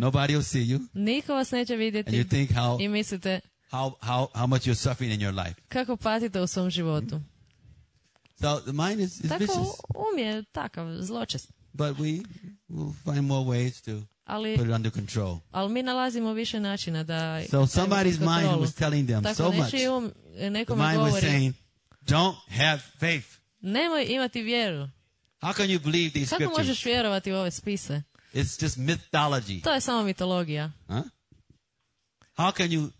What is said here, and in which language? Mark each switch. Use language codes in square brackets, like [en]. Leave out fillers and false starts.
[en] Nobody will see you. [hr] Niko vas neće vidjeti. [en] And you think how, [hr] i mislite [en] how much you're suffering in your life. [hr] Kako patite u svom životu. [en] So the mind is [hr] tako [en] vicious. [hr] Um je takav, zločest. [en] But we will find more ways to put it under control. [hr] Ali mi nalazimo više načina da... [en] So somebody's mind was telling them [hr] tako [en] so much. [hr] Nekome [en] the mind [hr] govori, [en] was saying, don't have faith. [hr] Nemoj imati vjeru. [en] How can you believe these [hr] kako [en] scriptures? [hr] Kako možeš vjerovati u ove spise? [en] It's just mythology. [hr] To je samo mitologija. [en] Huh? How can you